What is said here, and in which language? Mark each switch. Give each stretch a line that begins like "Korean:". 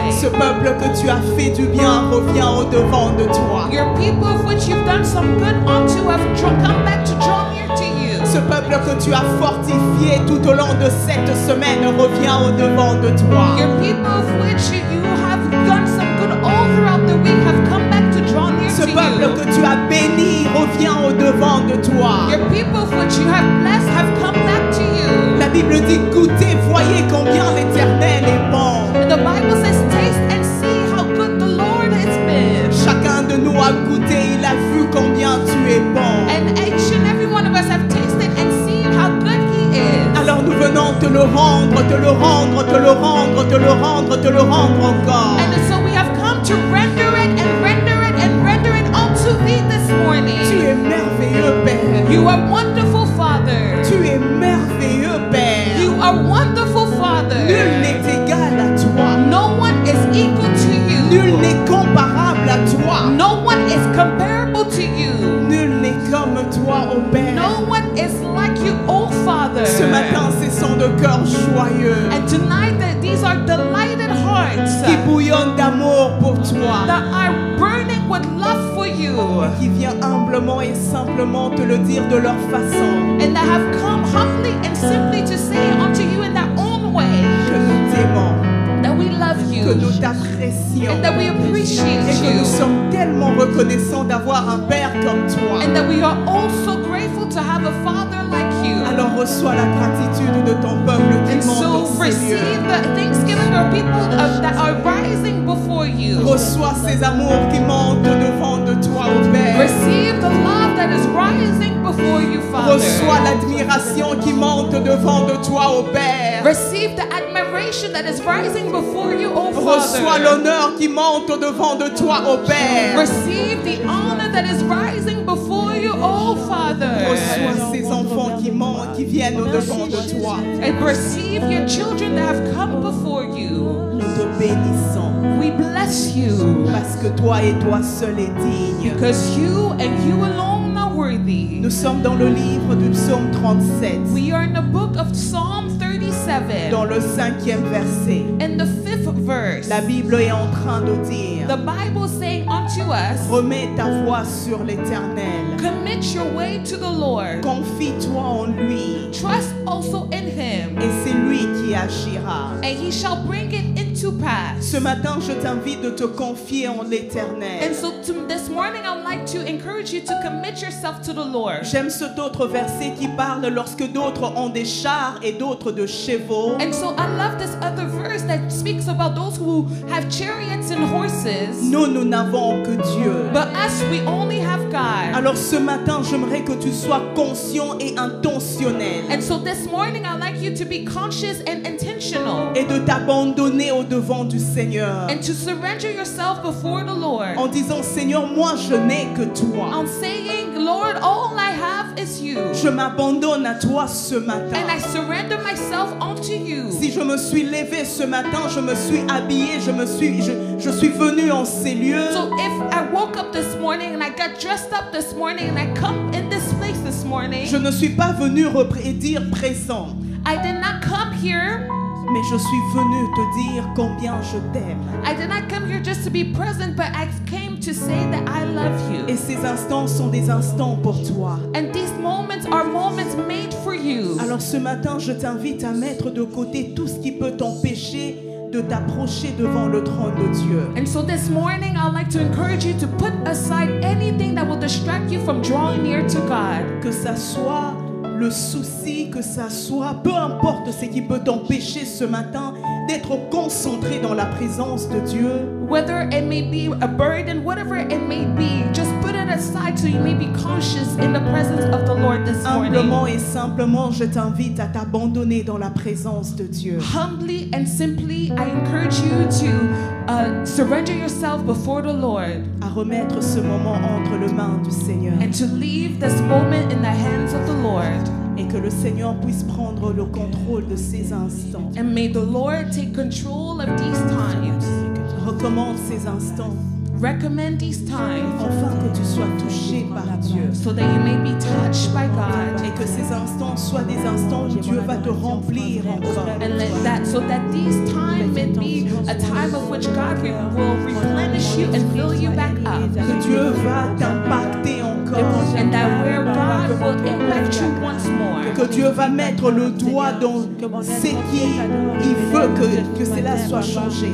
French: peuple que tu as fait du bien revient au devant de toi.
English: Your people of which you've done some good unto have come back to draw near to you.
French: Ce peuple que tu as fortifié tout au long de cette semaine revient au devant de toi.
English: Your people of which you have done some good all throughout the week have come back to draw near to you.
French: Ce peuple que tu as béni revient au devant de toi.
English: Your people of which you have blessed have come back to you.
French: La Bible dit goûtez, voyez combien l'Éternel est bon.
English: The Bible says, taste and see how good the Lord has been.
French: Chacun de nous a goûté, il a vu combien tu es bon.
English: And each and every one of us have tasted and seen how good he is.
French: Alors nous venons te le rendre, te le rendre, te le rendre, te le rendre, te le rendre encore.
English: And so we have come to render it and render it and render it unto thee this morning.
French: Tu es merveilleux, Père.
English: You are wonderful, Father.
French: Tu es merveilleux, Père.
English: You are wonderful, Father.
French: Nul n'est égal à toi.
English: No one is equal to you.
French: Nul n'est comparable à toi.
English: No one is comparable to you.
French: Nul n'est comme toi, ô Père.
English: No one is like you, O Father.
French: Ce matin, ces sont de cœurs joyeux.
English: And tonight, these are delighted hearts.
French: Qui bouillonnent d'amour pour toi.
English: That are burning with love for you.
French: Qui vient humblement et simplement te le dire de leur façon.
English: And that have come humbly and simply to say unto you in their own way.
French: Que nous t'aimons. Que nous t'apprécions.
English: And that we appreciate you.
French: Et que nous sommes tellement reconnaissants d'avoir un père comme toi.
English: And that we are also grateful to have a father like you.
French: Alors reçois la gratitude de ton peuple qui monte au ciel.
English: And so receive the thanksgiving of people that are rising before you.
French: Reçois ces amours qui montent devant de toi, ô Père.
English: Receive the love that is rising before you, Father.
French: Reçois l'admiration qui monte devant de toi, ô Père.
English: Receive the admiration that is rising before you, O Father.
French: Reçois l'honneur qui monte au-devant de toi, ô Père.
English: Receive the honor that is rising before you, O Father.
French: Reçois ces enfants qui montent, qui viennent au-devant de toi.
English: And receive your children that have come before you.
French: Nous te bénissons.
English: We bless you.
French: Parce que toi et toi seul est digne.
English: Because you and you alone.
French: Nous sommes dans le livre du psaume 37.
English: We are in the book of Psalm 37.
French: Dans le cinquième verset.
English: In the fifth verse.
French: La Bible est en train de dire.
English: The Bible saying unto us.
French: Remets ta voix sur l'Éternel.
English: Commit your way to the Lord.
French: Confie-toi en lui.
English: Trust also in him.
French: Et c'est lui qui agira.
English: And he shall bring it into pass.
French: Ce matin, je t'invite de te confier en l'Éternel.
English: And so this morning I'd like to encourage you to commit yourself to the Lord.
French: J'aime cet autre verset qui parle lorsque d'autres ont des chars et d'autres de chevaux.
English: And so I love this other verse that speaks about those who have chariots and horses.
French: Nous n'avons que Dieu.
English: But us, we only have God.
French: Alors ce matin, j'aimerais que tu sois conscient et intentionnel.
English: And so this morning I'd like you to be conscious and intentional.
French: Et de t'abandonner au devant du Seigneur.
English: And to surrender yourself before the Lord.
French: En disant Seigneur, moi je n'ai que toi.
English: I'm saying, Lord, all I have is you.
French: Je m'abandonne à toi ce matin.
English: And I surrender myself unto you.
French: Si je me suis levé ce matin, je me suis habillé, je suis venu en ces lieux.
English: So if I woke up this morning and I got dressed up this morning and I come in this place this morning.
French: Je ne suis pas venu dire présent.
English: I did not come here.
French: Mais je suis venu te dire combien je t'aime.
English: I did not come here just to be present, but I came to say that I love you.
French: Et ces instants sont des instants pour toi.
English: And these moments are moments made for you.
French: Alors ce matin, je t'invite à mettre de côté tout ce qui peut t'empêcher de t'approcher devant le trône de Dieu.
English: And so this morning, I'd like to encourage you to put aside anything that will distract you from drawing near to God.
French: Que ça soit le souci, que ça soit, peu importe ce qui peut t'empêcher ce matin d'être concentré dans la présence de Dieu.
English: Whether it may be a burden, whatever it may be, just put it aside so you may be conscious in the presence of the Lord this morning.
French: Humblement et simplement, je t'invite à t'abandonner dans la présence de Dieu.
English: Humbly and simply, I encourage you to surrender yourself before the Lord.
French: À remettre ce moment entre les mains du Seigneur.
English: And to leave this moment in the hands of the Lord.
French: Et que le Seigneur puisse prendre le contrôle de ces instants.
English: And may the Lord take control of these times.
French: Recommence ces instants.
English: recommend these times
French: afin que tu sois touché par Dieu,
English: so that you may be touched by God,
French: et que ces instants soient des instants où Dieu va te remplir encore.
English: And that, so that these times may be a time of which God will replenish you and fill you back up.
French: Que Dieu va t'impacter encore.
English: And that where God will impact you once more.
French: Que Dieu va mettre le doigt dans ce qui il veut que cela soit changé.